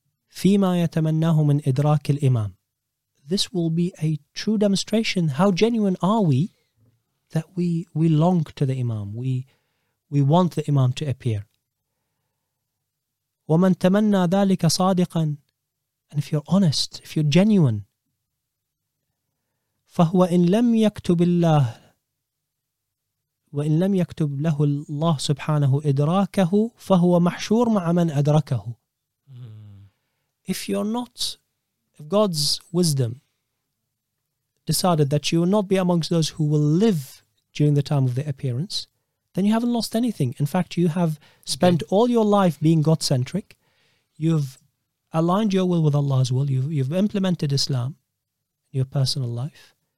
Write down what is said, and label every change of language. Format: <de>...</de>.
<ar>فيما يتمناه من إدراك الإمام.</ar> <en>This will be a true demonstration. How genuine are we that we long to the Imam? We want the Imam to appear.</en> <ar>ومن تمنى ذلك صادقا.</ar> <en>And if you're honest, if you're genuine,</en> <ar>فهو إن لم يكتب الله وإن لم يكتب له الله سبحانه إدراكه فهو محشور مع من أدركه.</ar> <en>If you're not, if God's wisdom decided that you will not be amongst those who will live during the time of the appearance, then you haven't lost anything. In fact, you have spent all your life being God-centric. You've aligned your will with Allah's will. You've implemented Islam in your personal life.</en>